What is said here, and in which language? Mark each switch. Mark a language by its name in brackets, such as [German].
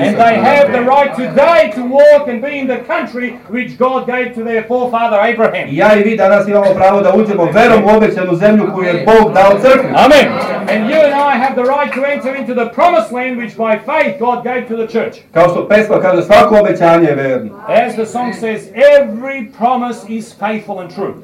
[English] And they have the right today to walk and be in the country which God gave to their forefather Abraham. [Serbian] Ja i vi danas imamo pravo da uđemo verom u obećanu zemlju koju je Bog dao crkvi. Amen. [English] And you and I have the right to enter into the promised land which by faith God gave to the church. [Serbian] Kao što pesma kaže, svako obećanje je verno. [English] As the song says, every promise is faithful and true.